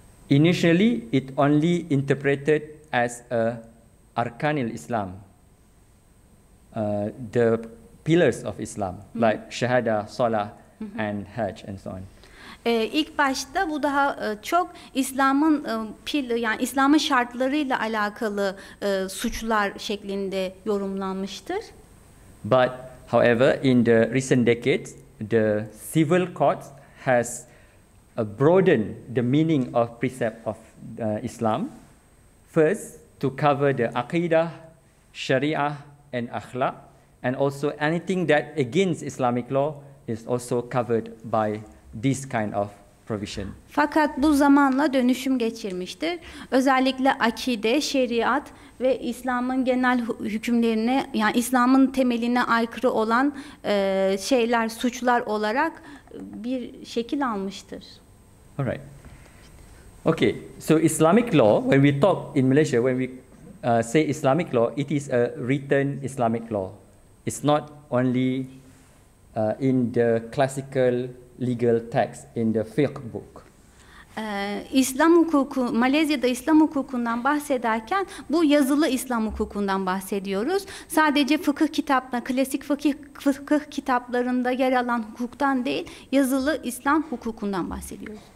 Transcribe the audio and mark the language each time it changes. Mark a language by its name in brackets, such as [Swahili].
[English] Initially, it only interpreted as a arkanil Islam, the pillars of Islam, like shahada, salah, and hajj, and so on. [Turkish] İlk başta bu daha çok İslam'ın yani İslam'ın şartlarıyla alakalı suçlar şeklinde yorumlanmıştır. [English] But, however, in the recent decades, the civil courts has broaden the meaning of precept of Islam, first to cover the aqidah, sharia, and akhlaq, and also anything that against Islamic law is also covered by this kind of provision. [Turkish] Fakat bu zamanla dönüşüm geçirmiştir. Özellikle akide, şeriat ve İslam'ın genel hükümlerine, yani İslam'ın temeline aykırı olan şeyler, suçlar olarak bir şekil almıştır. [English] All right. Okay. So Islamic law, when we talk in Malaysia, when we say Islamic law, it is a written Islamic law. It's not only in the classical legal text in the fiqh book. [Turkish] İslam hukuku, Malezya'da İslam hukukundan bahsederken bu yazılı İslam hukukundan bahsediyoruz. Sadece fıkıh kitapta, klasik fıkıh kitaplarında yer alan hukuktan değil, yazılı İslam hukukundan bahsediyoruz.